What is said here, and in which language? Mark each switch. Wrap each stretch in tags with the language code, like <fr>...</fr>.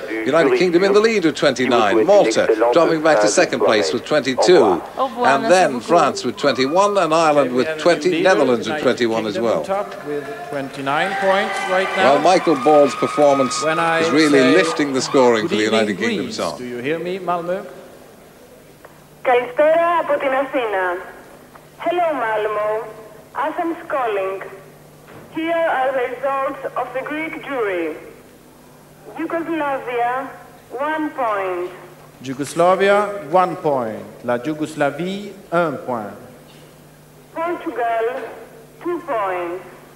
<en>United Kingdom in the lead with 29. Malta dropping back to second place with 22. And then France with 21, and Ireland with 20. Netherlands with 21 as well. Well, Michael Ball's performance is really lifting the scoring for the United Kingdom song. Do you hear me, Malmö?</en> <el>Καλησπέρα από την Αθήνα.</el> <en>Hello, Malmö. As I'm calling, here are the results of the Greek jury. Yugoslavia, 1 point. Yugoslavia, 1 point.</en> <fr>La Yugoslavie, 1 point.</fr> <en>Portugal, 2 points.</en>